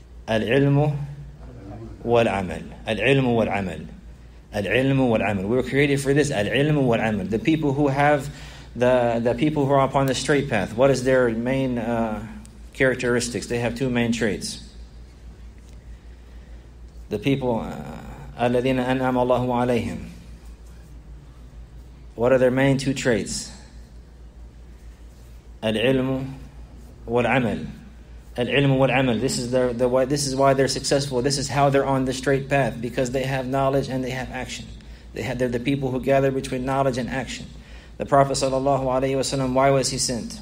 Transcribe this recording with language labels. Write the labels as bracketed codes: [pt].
[ar] Al-ilmu wal-amal. Al-ilmu wal-amal. Al-ilmu wal-amal. [en] We were created for this. [ar] Al-ilmu wal-amal. [en] The people who have The people who are upon the straight path, what is their main characteristics? They have two main traits. The people, [ar] الَّذِينَ أَنْعَمَ اللَّهُ عَلَيْهِمْ. [en] What are their main two traits? [ar] الْعِلْمُ وَالْعَمَلُ. الْعِلْمُ وَالْعَمَلُ. [en] This is why they're successful. This is how they're on the straight path, because they have knowledge and they have action. They're the people who gather between knowledge and action. The Prophet sallallahu alaihi wasallam, why was he sent?